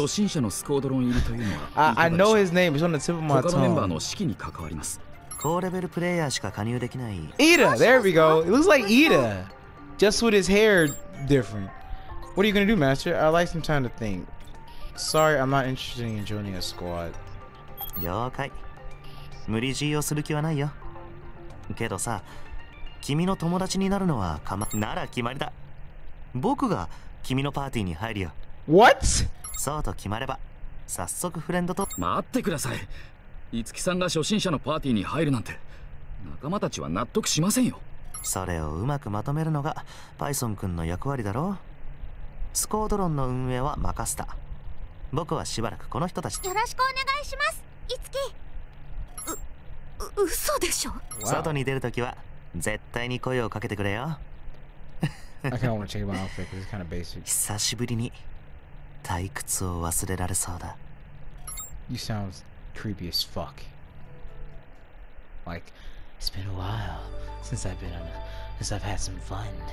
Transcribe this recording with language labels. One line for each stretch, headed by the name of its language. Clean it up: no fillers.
Japanese: 初心者のスコードロンいるというのは。
English: I know his name. He's on the tip of my tongue.
Japanese: 他のメンバーの士気に関わります。高レベルプレイヤーしか加入できない。
English: Ida, there we go. It looks like Ida, just with his hair different. What are you gonna do, Master? I'd like some time to think. Sorry, I'm not interested in joining a squad.
Japanese: 了解。無理強いをする気はないよ。けどさ、君の友達になるのはかま、なら決まりだ。僕が君のパーティーに入るよ。
English: What?
Japanese: そうと決まれば、早速フレンドと。待ってください。いつきさんが初心者のパーティーに入るなんて、仲間たちは納得しませんよ。それをうまくまとめるのが、パイソン君の役割だろう。スコードロンの運営は任せた。僕はしばらくこの人たち。よろしくお願いします、いつき。嘘でしょ。外に出るときは、絶対に声をかけてくれよ。
English: I kind of want to check my outfit because it's kind of basic.
Japanese: 久しぶりに退屈を忘れられそうだ。
English: You sound creepy as fuck. Like, it's been a while since I've been on a, since I've had some fun.